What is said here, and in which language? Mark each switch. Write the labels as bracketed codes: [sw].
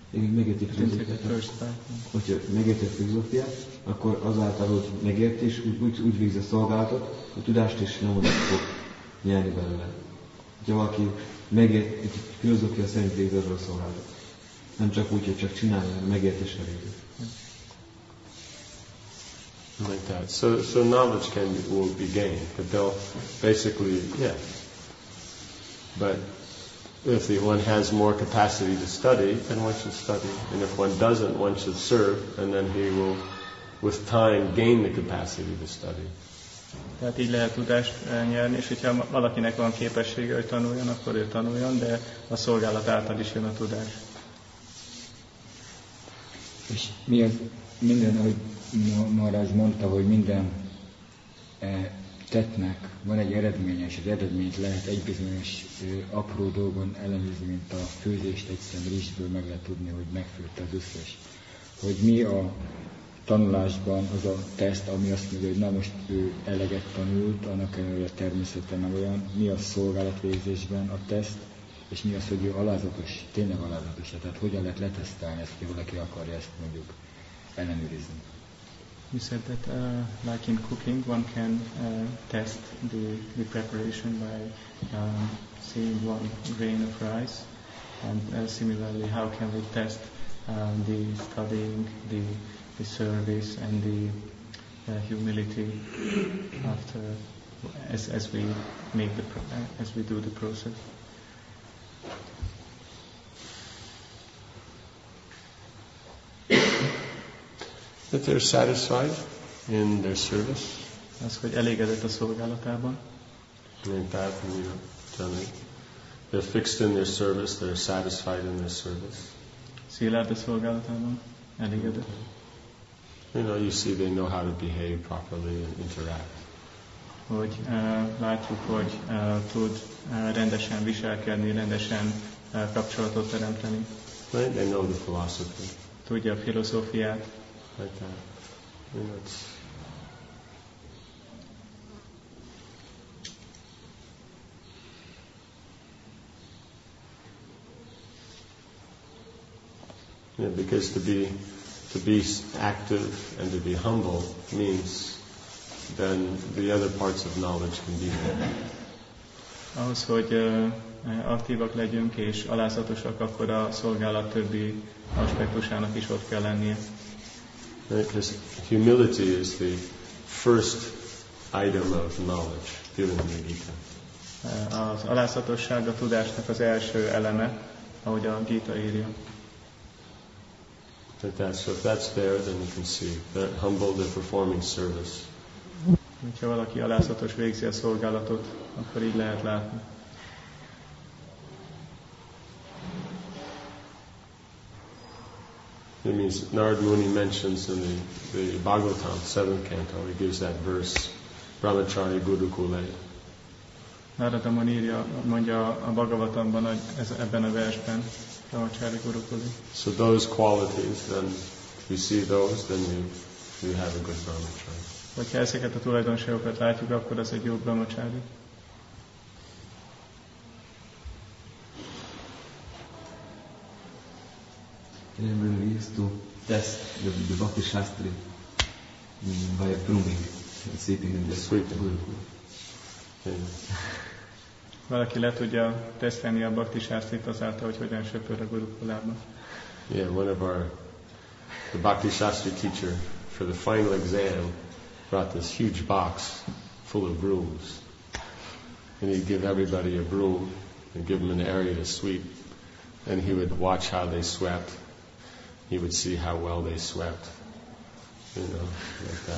[hu] Igen, megérti a filozófiát. Hogyha megérti a filozófiát, akkor azáltal, hogy megérti, és úgy végzi a szolgálatot, a tudást is nem oda fog nyerni belőle. Hogyha valaki megérti, hogy a filozófia szerint végzi azzal a szolgálatot. Nem csak úgy, hogy csak csinálja, megérti, és elégy. [en] like that. So knowledge will be gained, but they'll basically, yeah. But if one has more capacity to study, then one should study. And if one doesn't, one should serve, and then he will, with time, gain the capacity to study. [hu] Tehát így lehet tudást nyerni, és hogyha valakinek van képessége, hogy tanuljon, akkor ő tanuljon, de a szolgálat által is jön a tudás. És mi az minden, ahogy Maharaj mondta, hogy minden tettnek van egy eredménye, és az eredményt lehet egy bizonyos apró dolgon ellenőrizni, mint a főzést egyszerűen rizsből meg lehet tudni, hogy megfőtte az összes. Hogy mi a tanulásban az a teszt, ami azt mondja, hogy na most ő eleget tanult, annak ellenére természete nem olyan, mi a szolgálatvégzésben a teszt, és mi az, hogy ő alázatos, tényleg alázatos, tehát hogyan lehet letesztelni ezt, hogy valaki akarja ezt mondjuk ellenőrizni. [en] You said that like in cooking, one can test the preparation by seeing one grain of rice, and similarly, how can we test the studying, the service, and the humility after as we make the as we do the process. That they're satisfied in their service. [hu] Az, hogy elégedett a szolgálatában. [en] In that, you know, tell me. They're fixed in their service, they're satisfied in their service. [hu] Szilárd a szolgálatában, elégedett. [en] Okay. You know, you see they know how to behave properly and interact. [hu] Hogy látjuk, hogy tud rendesen viselkedni, rendesen kapcsolatot teremteni. [en] Right? They know the philosophy. [hu] Tudja a filozófiát. [en] Like that. You know, yeah, because to be active and to be humble means then the other parts of knowledge can be there. [hu] Ahhoz, hogy aktívak legyünk és alázatosak, akkor a szolgálat többi aspektusának is ott kell lennie. [en] Because humility is the first item of knowledge given in the Gita. [hu] Az alázatosság a tudásnak az első eleme, ahogy a Gita írja. [en] So if that's there, then you can see they're humble, they're performing service. [hu] Hogyha valaki alázatos végzi a szolgálatot, akkor így lehet látni. [en] It means Narad Muni mentions in the Bhagavatam, 7th canto, he gives that verse, Brahmacharya Guru Kule. [hu] Narada Muni mondja a Bhagavatamban, ebben a versben, Brahmacharya Guru Kule. [en] So those qualities, then you see those, then you have a good Brahmacharya. [hu] Hogyha ezeket a tulajdonságokat látjuk, akkor az egy jó Brahmacharya. [en] Remember we used to test the Bhakti Shastri by pruning and sitting in the Gurukul. [hu] Valaki le tudja teszteni a Bhakti Shastrit azáltal, hogy hogyan söpör a Gurukulában. [en] Yeah, one of the Bhakti Shastri teacher for the final exam brought this huge box full of brooms. And he'd give everybody a broom and give them an area to sweep. And he would watch how they swept. He would see how well they swept, you know, like that.